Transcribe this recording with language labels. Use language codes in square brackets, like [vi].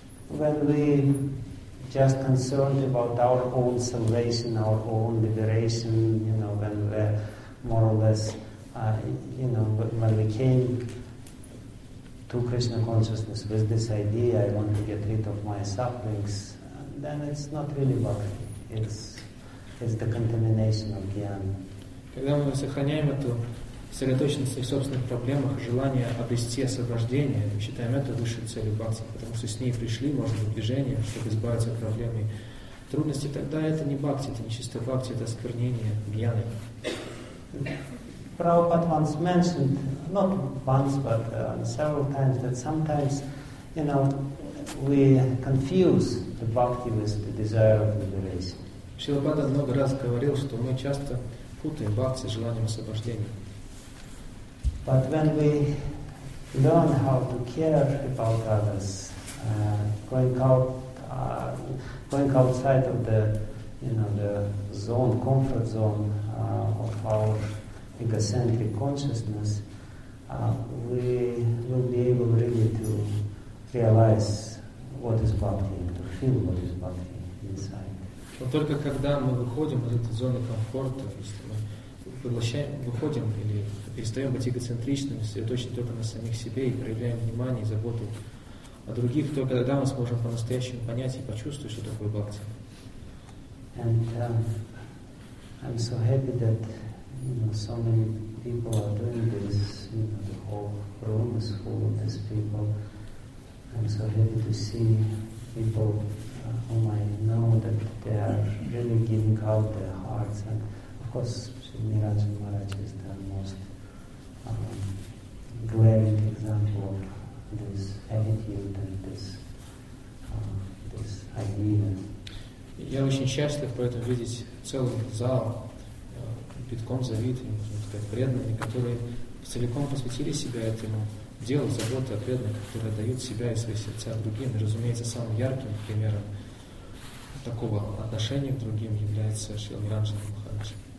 [en] When we just concerned about our own salvation, our own liberation, you know, when we more or less, you know, when we came to Krishna consciousness with this idea, I want to get rid of my sufferings, then it's not really bhakti. It's the contamination of jnana. [ru] Когда мы сохраняем эту сосредоточенность на собственных проблемах, желание обрести освобождение, мы считаем это высшей целью бхакти, потому что с ней пришли, может быть, движение, чтобы избавиться от проблем и трудностей, тогда это не бхакти, это не чисто бхакти, это осквернение джняны. [en] Prabhupada once mentioned, not once, but several times, that sometimes, you know, we confuse the bhakti with the desire of liberation. [ru] Шрила Прабхупада много раз говорил, что мы часто путаем бхакти с желанием освобождения. [en] But when we learn how to care about others, going outside of the, you know, the zone, comfort zone of our egocentric consciousness, we will be able really to realize what is bhakti, to feel what is bhakti inside. [ru] Но только когда мы выходим из этой зоны комфорта, если мы выходим или перестаем быть эгоцентричными, сосредоточены только на самих себе и проявляем внимание и заботу о других, только тогда мы сможем по-настоящему понять и почувствовать, что такое бхакти. [en] And I'm so happy that, you know, so many people are doing this, you know, the whole room is full of these people. I'm so happy to see people whom I know that they are really giving out their hearts. And of course, Sri Niraj Maharaj is the most glaring example of this attitude and this this idea. [ru] Я очень счастлив поэтому видеть целый зал битком завит, преданные, которые целиком посвятили себя этому делу, заботы о преданных, которые дают себя и свои сердца другим. И, разумеется, самым ярким примером такого отношения к другим является Шри Ниранджана Махарадж.